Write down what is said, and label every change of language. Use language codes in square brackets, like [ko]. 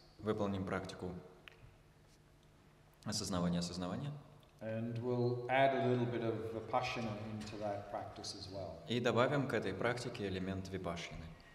[ru] Выполним практику осознавания осознавания. [en] And we'll add a little bit of vipassana into that practice as well. [ru] И добавим к этой практике элемент випашьяны.